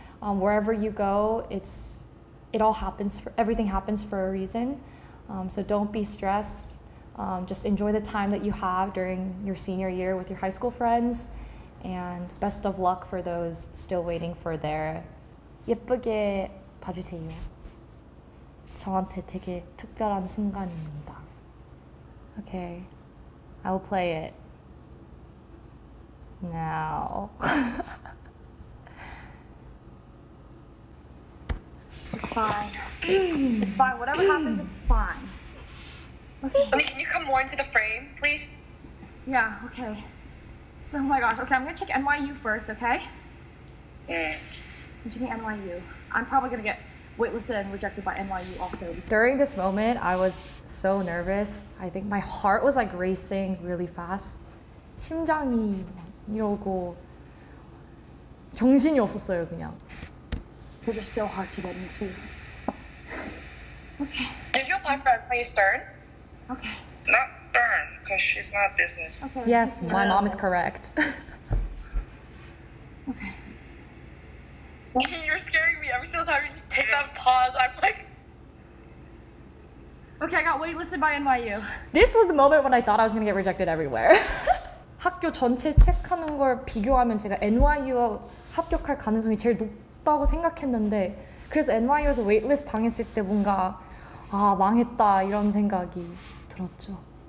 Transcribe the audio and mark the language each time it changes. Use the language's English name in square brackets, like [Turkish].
[English] Wherever you go, everything happens for a reason. So don't be stressed. Just enjoy the time that you have during your senior year with your high school friends. And best of luck for those still waiting for their [Korean] 예쁘게 봐주세요. 저한테 되게 특별한 순간입니다. [English] Okay, I will play it now. It's fine. It's fine. Whatever happens, it's fine. Okay. Can you come more into the frame, please? Yeah, okay. So, oh my gosh, okay, I'm gonna check NYU first, okay? Yeah. I'm checking NYU. I'm probably gonna get waitlisted and rejected by NYU also. During this moment, I was so nervous. I think my heart was like racing really fast. [Korean] 심장이 이러고 정신이 없었어요, 그냥. [English] You're just so hard to get into. Okay. Did you apply for NYU Stern? Okay. Not Stern, because she's not business. Okay. Yes, my mom is correct. Okay. You're scaring me every single time you just take that pause. I'm like... Okay, I got waitlisted by NYU. This was the moment when I thought I was going to get rejected everywhere. [Korean] 학교 전체 체크하는 걸 비교하면 제가 NYU 합격할 가능성이 제일 높다고 생각했는데 그래서 NYU에서 웨이트리스트 당했을 때 뭔가 아 망했다 이런 생각이 들었죠.